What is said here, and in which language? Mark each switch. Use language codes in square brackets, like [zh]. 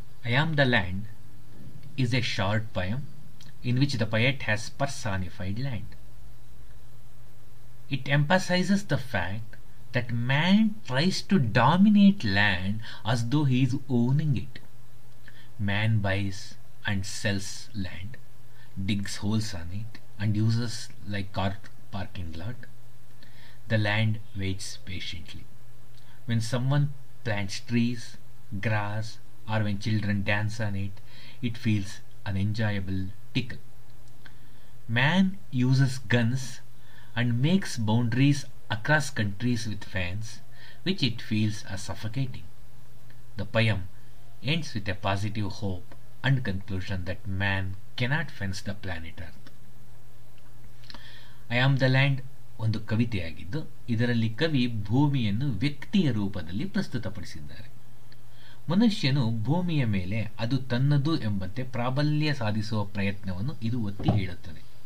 [en] I am the land is a short poem in which the poet has personified land. It emphasizes the fact that man tries to dominate land as though he is owning it. Man buys and sells land, digs holes on it and uses like car parking lot. The land waits patiently. When someone plants trees, grass, or when children dance on it, it feels an enjoyable tickle. Man uses guns and makes boundaries across countries with fans, which it feels as suffocating. The poem ends with a positive hope and conclusion that man cannot fence the planet Earth. [kn] I am the land ಒಂದು ಕವಿತೆಯಾಗಿದ್ದು ಇದರಲ್ಲಿ ಕವಿ ಭೂಮಿಯನ್ನು ವ್ಯಕ್ತಿಯ ರೂಪದಲ್ಲಿ ಪ್ರಸ್ತುತಪಡಿಸಿದ್ದಾರೆ. ಮನುಷ್ಯನು ಭೂಮಿಯ ಮೇಲೆ ಅದು ತನ್ನದು ಎಂಬಂತೆ ಪ್ರಾಬಲ್ಯ ಸಾಧಿಸುವ ಪ್ರಯತ್ನವನ್ನು ಇದು ಒತ್ತಿ ಹೇಳುತ್ತದೆ.